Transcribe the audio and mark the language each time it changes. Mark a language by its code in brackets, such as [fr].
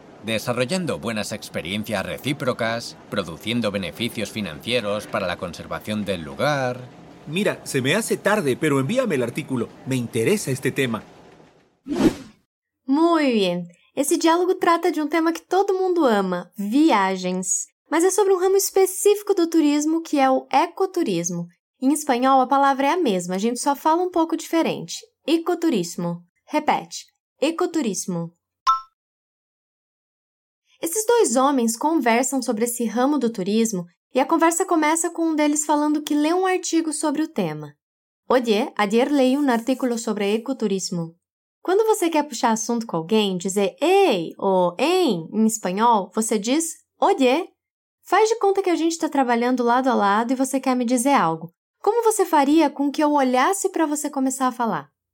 [es] Desarrollando buenas experiencias recíprocas, produciendo beneficios financieros para la conservación del lugar... Mira, se me hace tarde, pero envíame el artículo. Me interesa este tema. Muy bien. [pt] Ese diálogo trata de un tema que todo mundo ama, viagens. Mas é sobre um ramo específico do turismo, que é o ecoturismo. Em espanhol, a palavra é a mesma, a gente só fala um pouco diferente. Ecoturismo. Repete. Ecoturismo. Esses dois homens conversam sobre esse ramo do turismo e a conversa começa com um deles falando que leu um artigo sobre o tema. [es] Oye, ayer leí un artículo sobre ecoturismo. [pt] Quando você quer puxar assunto com alguém, dizer ei ou em, em espanhol, você diz oye. Faz de conta que a gente está trabalhando lado a lado e você quer me dizer algo. Como você faria com que eu olhasse para você começar a falar?